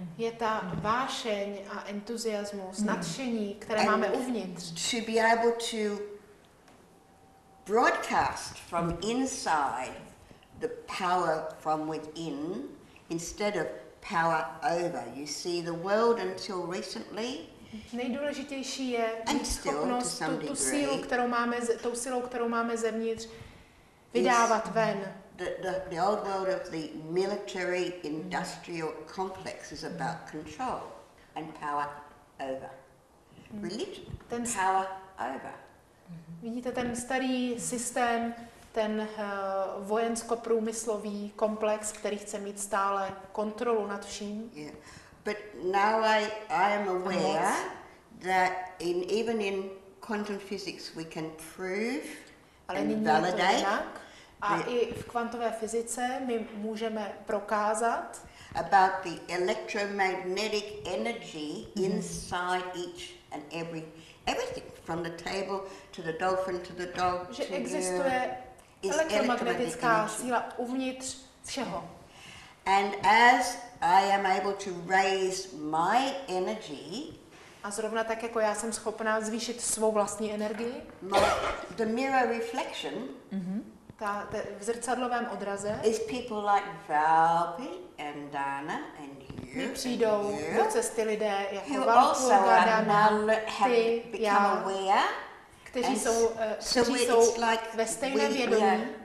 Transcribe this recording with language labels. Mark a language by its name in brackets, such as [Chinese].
[Czech] Je ta vášeň a entuziasmus, nadšení, které máme uvnitř. [English] To be able to broadcast from inside the power from within instead of power over. You see, the world until recently. [Czech] Nejdůležitější je schopnost tu sílu, kterou máme, tou silou, kterou máme zevnitř, vydávat ven. [English] The old world of the military industrial complex is about control and power over. Religion, power over. [Czech] Vidíte ten starý systém, ten vojensko-průmyslový komplex, který chce mít stále kontrolu nad vším. [English] Yeah. But now I am aware that even in quantum physics we can prove and validate. [Czech] A i v kvantové fyzice my můžeme prokázat [English] about the electromagnetic energy inside each and everything from the table to the dolphin to the dog. [Czech] Že existuje elektromagnetická síla uvnitř všeho. [English] And as I am able to raise my energy. [Czech] A zrovna tak jako já jsem schopná zvýšit svou vlastní energii. [English] The mirror reflection. [Czech] V zrcadlovém odraze. [English] Is people like Valpy and Dana and you. [Czech] Mi přijdou do cesty lidé jako Valpy a Dana. Kteří jsou like ve stejné vědomí.